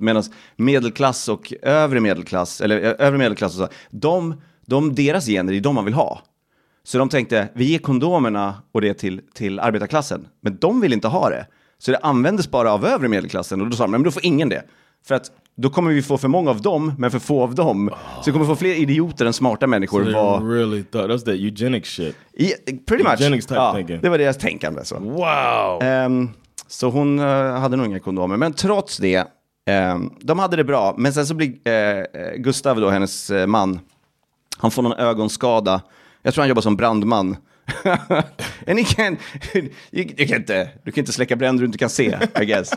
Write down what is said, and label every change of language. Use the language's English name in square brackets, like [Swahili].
[Swedish] Medan medelklass och övre medelklass, eller övre medelklass, och så, deras gener är de man vill ha. Så de tänkte, vi ger kondomerna och det till arbetarklassen, men de vill inte ha det. Så det användes bara av övre medelklassen. Och då sa de, men då får ingen det. För att då kommer vi få för många av dem, men för få av dem. Så vi kommer få fler idioter än smarta människor. [English] So they really thought, that's that eugenics shit. Pretty much. Eugenics type thinking. [Swedish] Det var deras tänkande. Så. [English] Wow! [Swedish] Så hon hade nog inga kondomer. Men trots det, de hade det bra. Men sen så blir Gustav då, hennes man. Han får någon ögonskada. Jag tror han jobbar som brandman. And du kan inte släcka bränder du inte kan se, [English] I guess.